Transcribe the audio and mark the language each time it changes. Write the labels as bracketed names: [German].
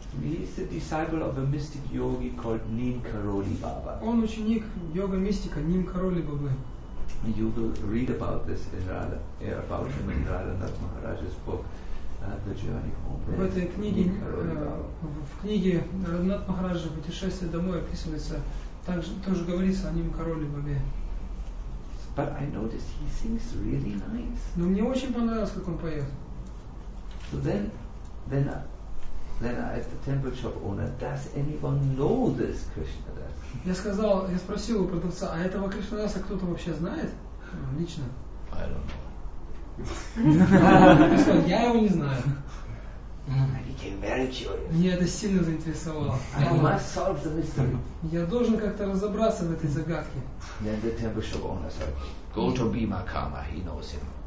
[English] He is the disciple of a mystic yogi called Neem Karoli Baba. [Russian] Он ученик йога-мистика Neem Karoli Baba. [English] You will read about this in about him in Radhanath Maharaj's book, The Journey Home. [Russian] В этой книге, в книге Радханат Махараджа «Путешествие домой» описывается, также тоже говорится о Neem Karoli Baba. [English] But I noticed he sings really nice. [Russian] Но мне очень понравилось, как он поет. [English] So then I asked the temple shop owner, does anyone know this Krishna Das? [Russian] Я сказал, я спросил у продавца, а этого Кришна Даса кто-то вообще знает? Лично. [English] I don't know. [Russian] Я сказал, я его не знаю. [English] I became very curious. [Russian] Меня это сильно заинтересовало. [English] I must solve the mystery. [Russian] Я должен как-то разобраться в этой загадке. [English] Then the temple shop owner said, go to Bhima Kama, he knows him.